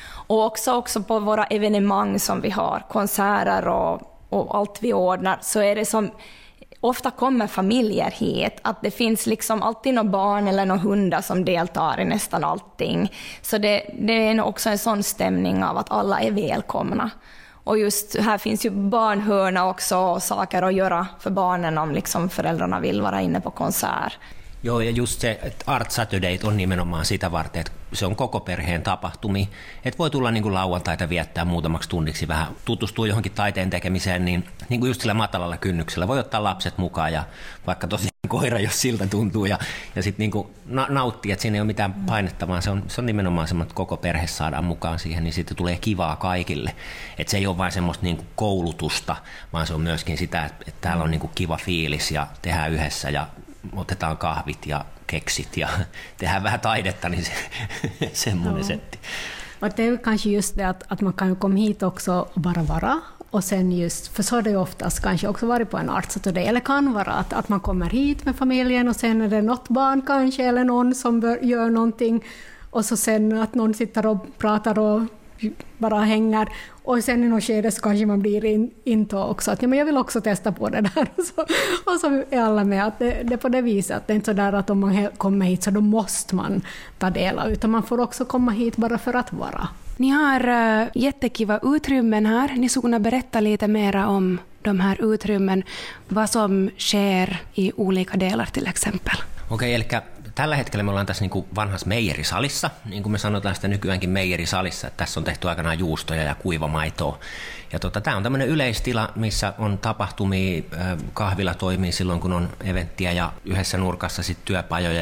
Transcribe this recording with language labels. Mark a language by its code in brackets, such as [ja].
[sv] Och också på våra evenemang som vi har, konserter och allt vi ordnar, så är det som ofta kommer familjer hit, att det finns liksom alltid någon barn eller någon hundar som deltar i nästan allting. Så det är också en sån stämning av att alla är välkomna. Och just här finns ju barnhörna också och saker att göra för barnen om liksom föräldrarna vill vara inne på konsert. [fi] Joo, ja just se, että Art Saturday on nimenomaan sitä varten, että se on koko perheen tapahtumi, että voi tulla niin kuin lauantaita viettää muutamaksi tunniksi vähän, tutustua johonkin taiteen tekemiseen, niin kuin just sillä matalalla kynnyksellä, voi ottaa lapset mukaan ja vaikka tosiaan koira, jos siltä tuntuu, ja sitten niin kuin nauttii, että siinä ei ole mitään painetta, vaan se on nimenomaan semmoinen, että koko perhe saadaan mukaan siihen, niin siitä tulee kivaa kaikille, että se ei ole vain semmoista niin kuin koulutusta, vaan se on myöskin sitä, että täällä on niin kuin kiva fiilis ja tehdään yhdessä ja otetaan kahvit ja keksit ja tehdään vähän taidetta, niin semmoinen setti. [sv] Det är kanske just det att man kan komma hit också och bara vara. Och sen just, för så har det ju oftast kanske också varit på en art, så det eller kan vara att man kommer hit med familjen och sen är det något barn kanske eller någon som gör någonting. Och så sen att någon sitter och pratar och bara hänger. Och sen i något skede så kanske man blir intå också. Att, ja, men jag vill också testa på det där. Och så är alla med. Att det är på det viset. Att det är inte så där att om man kommer hit så då måste man ta del av. Utan man får också komma hit bara för att vara. Ni har jättekiva utrymmen här. Ni skulle kunna berätta lite mer om de här utrymmen. Vad som sker i olika delar till exempel. [fi] Okej, okay, eli tällä hetkellä me ollaan tässä niin kuin vanhassa meijerisalissa, niin kuin me sanotaan sitä nykyäänkin meijerisalissa, että tässä on tehty aikanaan juustoja ja kuivamaitoa. Ja tämä on tämmöinen yleistila, missä on tapahtumia, kahvila toimii silloin, kun on eventtiä ja yhdessä nurkassa sit työpajoja.